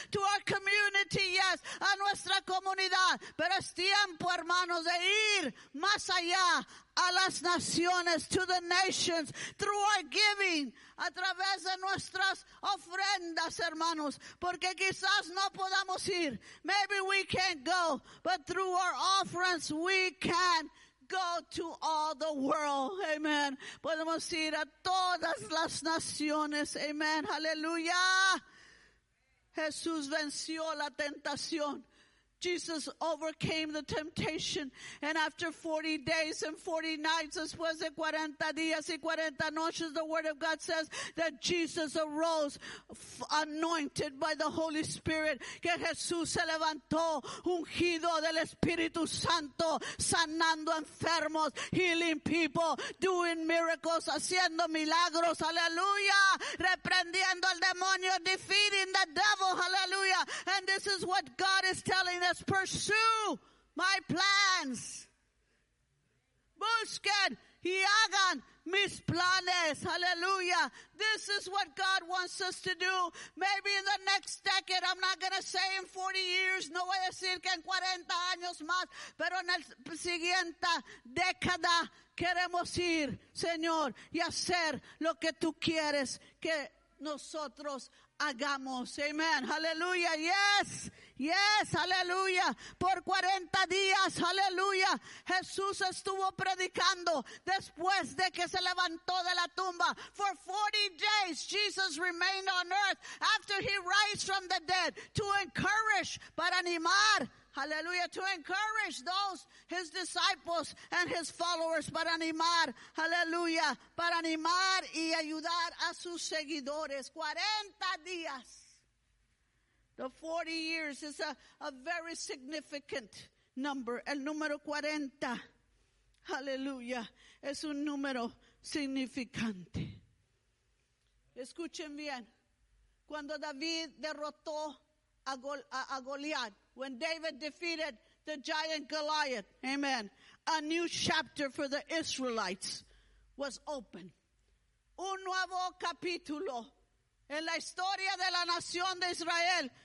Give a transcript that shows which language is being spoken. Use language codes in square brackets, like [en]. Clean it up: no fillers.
[en] To our community, yes. [es] A nuestra comunidad. Pero es tiempo, hermanos, de ir más allá a las naciones, [en] to the nations, through our giving, [es] a través de nuestras ofrendas, hermanos, porque quizás no podamos ir. [en] Maybe we can't go, but through our offerings we can go to all the world. Amen. [es] Podemos ir a todas las naciones. Amen. Aleluya. Jesús venció la tentación. [en] Jesus overcame the temptation, and after 40 days and 40 nights, [es] después de 40 días y 40 noches, [en] the word of God says that Jesus arose anointed by the Holy Spirit, [es] que Jesús se levantó ungido del Espíritu Santo, sanando enfermos, [en] healing people, doing miracles, [es] haciendo milagros, aleluya, reprendiendo al demonio, [en] defeating the devil, aleluya, and this is what God is telling us. Pursue my plans. [es] Busquen y hagan mis planes. Hallelujah. [en] This is what God wants us to do. Maybe in the next decade, I'm not going to say in 40 years, [es] no voy a decir que en 40 años más, pero en la siguiente década queremos ir, Señor, y hacer lo que tú quieres que nosotros hagamos. Amen. Hallelujah. Yes. Yes, aleluya. Por 40 días, aleluya. Jesús estuvo predicando después de que se levantó de la tumba. [en] For 40 days, Jesus remained on earth after he rose from the dead to encourage, [es] para animar, aleluya, [en] to encourage those, his disciples and his followers, [es] para animar, aleluya, para animar y ayudar a sus seguidores. 40 días. [en] The 40 years is a very significant number. [es] El número 40, hallelujah, es un número significante. Escuchen bien. Cuando David derrotó a Goliath, [en] when David defeated the giant Goliath, amen, a new chapter for the Israelites was open. [es] Un nuevo capítulo en la historia de la nación de Israel.